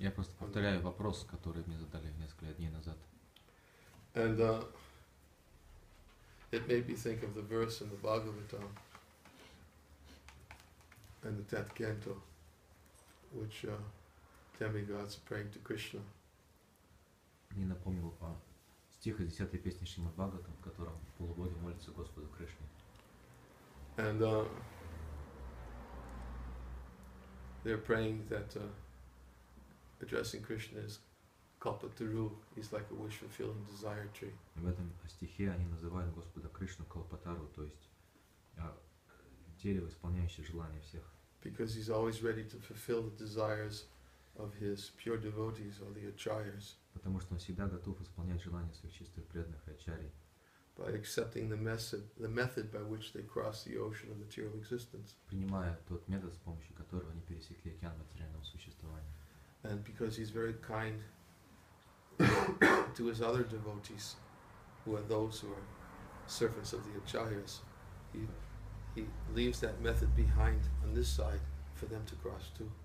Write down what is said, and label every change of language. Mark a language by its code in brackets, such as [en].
[ru] Я просто повторяю вопрос, который мне задали несколько дней назад. [en] And it made me think of the verse in the Bhagavatam, in the 10th canto, which demigods are praying to Krishna. [ru] Мне напомнил стих из 10-й песни Шримад Бхагаватам, в котором полубоги молятся Господу Кришне. [en] And they're praying that addressing Krishna is Kalpataru. He's like a wish-fulfilling desire tree. [ru] В этом стихе они называют Господа Кришну Калпатару, то есть дерево, исполняющее желания всех. [en] Because he's always ready to fulfill the desires of his pure devotees or the acharyas. [ru] Потому что он всегда готов исполнять желания своих чистых преданных и ачарий. [en] By accepting the method by which they cross the ocean of material existence. [ru] Принимая тот метод, с помощью которого они пересекли океан материального существования. [en] And because he's very kind to his other devotees, who are those who are servants of the acharyas, he leaves that method behind on this side for them to cross to.